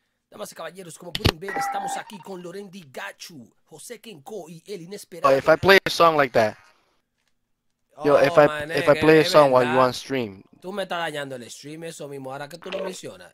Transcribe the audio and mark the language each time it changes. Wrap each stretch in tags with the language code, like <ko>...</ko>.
<es>Damas y caballeros, como pueden ver, estamos aquí con Lorendy Gachu, José Kenko y el inesperado.</es> <en>If I play a song like that, yo, oh, if I play a song while you on stream.</en> <es>Tú me estás dañando el stream, eso mismo, ahora que tú lo mencionas.</es>